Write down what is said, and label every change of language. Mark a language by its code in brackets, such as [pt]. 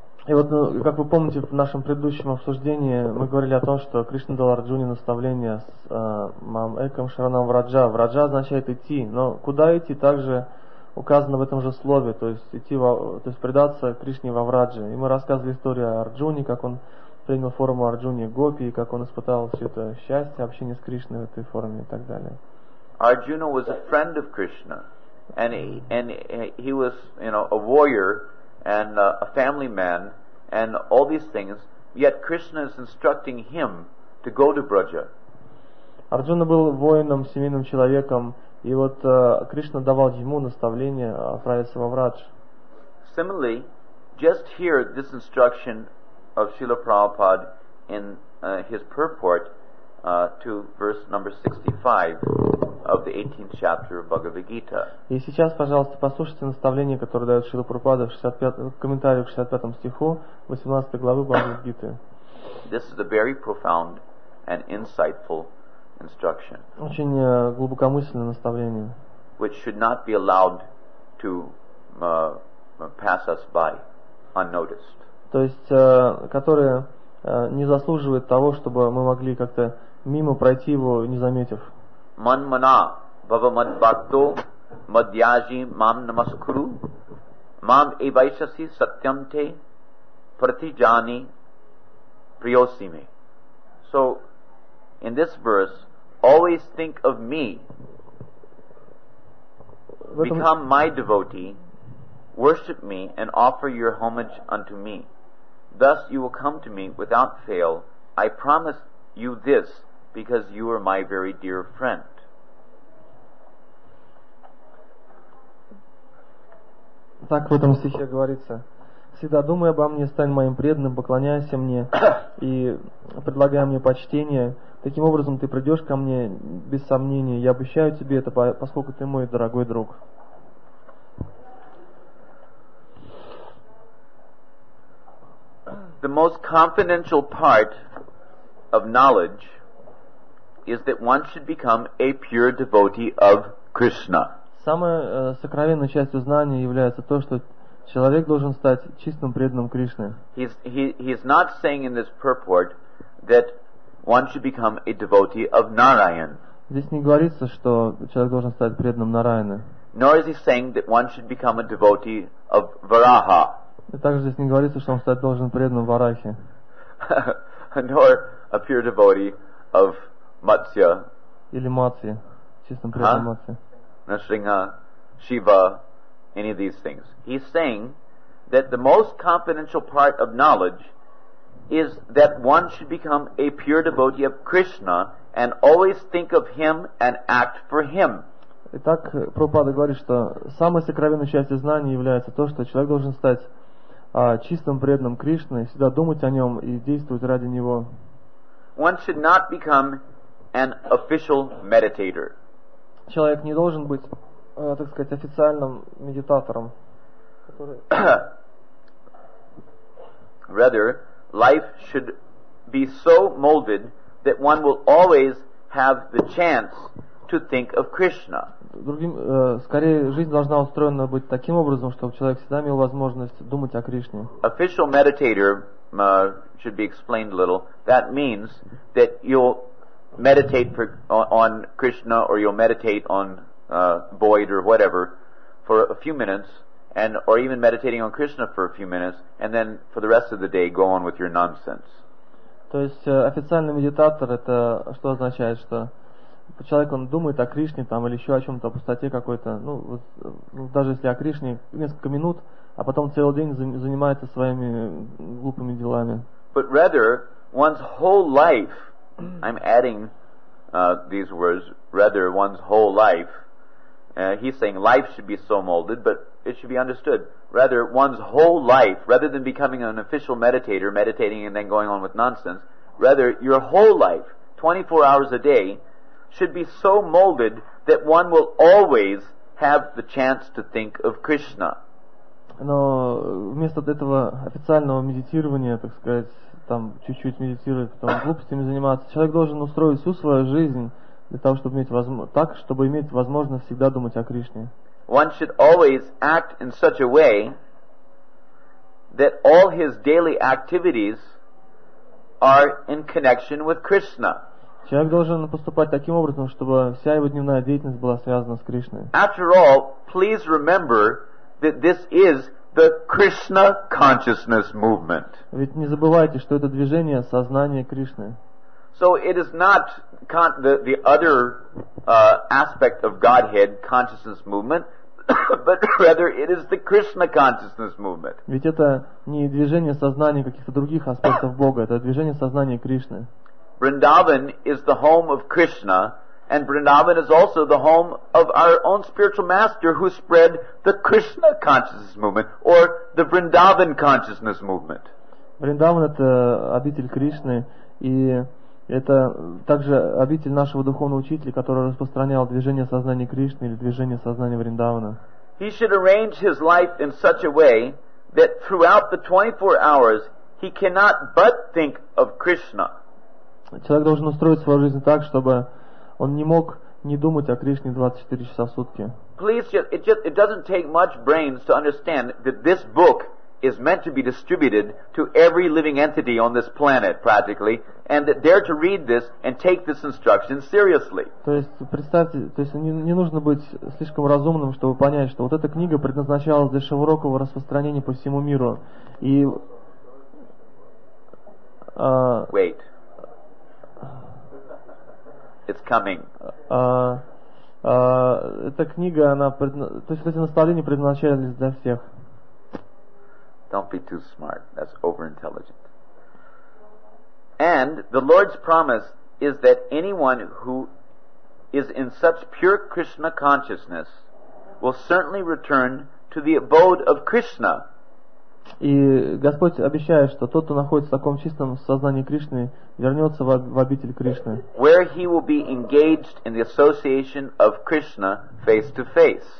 [ru] И вот, ну, как вы помните, в нашем предыдущем обсуждении мы говорили о том, что Кришна дал Арджуне наставление с [sa] мам эком шаранам враджа. [ru] Враджа означает идти, но куда идти также указано в этом же слове, то есть идти во, то есть предаться Кришне во Врадже. И мы рассказывали историю о Арджуне, как он принял форму Арджуни Гопи, и как он испытал все это счастье, общение с Кришной в этой форме и так далее. [en] Arjuna was a friend of Krishna, and he was, you know, a warrior and a family man and all these things, yet Krishna is instructing him to go to Braja. [ru] Арджуна был воином, семейным человеком, и вот Кришна давал ему наставление отправиться во Врадж. [en] Similarly, just hear this instruction of Srila Prabhupada in his purport to verse number 65 of the 18th chapter of Bhagavad Gita. [ru] И сейчас, пожалуйста, послушайте наставление, которое дает Шрила Прабхупада в 65-м, комментарии к 65-му стиху 18-й главы Бхагавад-гиты. [en] This is a very profound and insightful instruction. [ru] Очень глубокомысленное наставление. [en] Which should not be allowed to pass us by unnoticed. [ru] То есть, которое не заслуживает того, чтобы мы могли как-то мимо пройти его, не заметив. [sa] Манмана бхава мадбхакто мадьяжи мам намаскуру мам эйвайшаси сатьям те пратиджани приосиме. [en] So, in this verse, always think of me. Become my devotee, worship me, and offer your homage unto me. Thus you will come to me without fail. I promise you this because you are my very dear friend. [ru] Так в этом стихе говорится. Всегда думай обо мне, стань моим преданным, поклоняйся мне и предлагай мне почтение. Таким образом ты придешь ко мне без сомнения. Я обещаю тебе это, поскольку ты мой дорогой друг. [en] The most confidential part of knowledge is that one should become a pure devotee of Krishna. [ru] Самая сокровенная часть знания является то, что человек должен стать чистым преданным Кришны. [en] He's not saying in this purport that one should become a devotee of Narayan. [ru] Здесь не говорится, что человек должен стать преданным Нараяны. [en] Nor is he saying that one should become a devotee of Varaha. [ru] И также здесь не говорится, что он стать должен преданным Варахе. [en] Nor a pure devotee of Matsya. [ru] Или Матси, чистым преданным Матси. [en] Нашринга, Шива, any of these things. He's saying that the most confidential part of knowledge is that one should become a pure devotee of Krishna and always think of him and act for him. [ru] Итак, Прабхупада говорит, что самой сокровенной частью знания является то, что человек должен стать чистым преданным Кришны, всегда думать о нем и действовать ради него. [en] One should not become an official meditator. [ru] Человек не должен быть, так сказать, официальным медитатором. [en] Rather, life should be so molded that one will always have the chance to think of Krishna. [ru] Скорее, жизнь должна устроена быть таким образом, чтобы человек всегда имел возможность думать о Кришне. [en] Official meditator should be explained a little. That means that you'll meditate on Krishna or you'll meditate on Boyd or whatever for a few minutes, and or even meditating on Krishna for a few minutes, and then for the rest of the day go on with your nonsense. [ru] То есть официальный медитатор — это что означает, что человек, он думает о Кришне там или еще о чем-то, о пустоте какой-то, ну вот, даже если о Кришне несколько минут, а потом целый день занимается своими глупыми делами. [en] But rather, one's whole life, I'm adding these words, rather one's whole life, he's saying life should be so molded, but it should be understood. Rather, one's whole life, rather than becoming an official meditator, meditating and then going on with nonsense, rather, your whole life, 24 hours a day, should be so molded that one will always have the chance to think of Krishna. [ru] Но вместо этого официального медитирования, так сказать, там чуть-чуть медитировать, потом глупостями заниматься, человек должен устроить всю свою жизнь для того, чтобы иметь так, чтобы иметь возможность всегда думать о Кришне. [en] One should always act in such a way that all his daily activities are in connection with Krishna. [ru] Человек должен поступать таким образом, чтобы вся его дневная деятельность была связана с Кришной. [en] After all, please remember that this is the Krishna consciousness movement. [ru] Ведь не забывайте, что это движение сознания Кришны. [en] So it is not the other aspect of Godhead consciousness movement, but rather it is the Krishna consciousness movement. [ru] Ведь это не движение сознания каких-то других аспектов Бога, это движение сознания Кришны. [en] Vrindavan is the home of Krishna, and Vrindavan is also the home of our own spiritual master who spread the Krishna consciousness movement, or the Vrindavan consciousness movement. [ru] Vrindavan — это обитель Кришны, и это также обитель нашего духовного учителя, который распространял движение сознания Кришны или движение сознания Вриндавана. [en] He should arrange his life in such a way that throughout the 24 hours he cannot but think of Krishna. [ru] Человек должен устроить свою жизнь так, чтобы он не мог не думать о Кришне 24 часа в сутки. [en] Please, it doesn't take much brains to understand that this book is meant to be distributed to every living entity on this planet, practically, and that they're to read this and take this instruction seriously. [ru] То есть представьте, то есть не нужно быть слишком разумным, чтобы понять, что вот эта книга предназначалась для широкого распространения по всему миру. И [en] wait. It's coming. [ru] Эта книга, она то есть эти наставления предназначались для всех. [en] Don't be too smart. That's overintelligent. And the Lord's promise is that anyone who is in such pure Krishna consciousness will certainly return to the abode of Krishna. [ru] И Господь обещает, что тот, кто находится в таком чистом сознании Кришны, вернется в обитель Кришны. [en] Where he will be engaged in the association of Krishna face to face.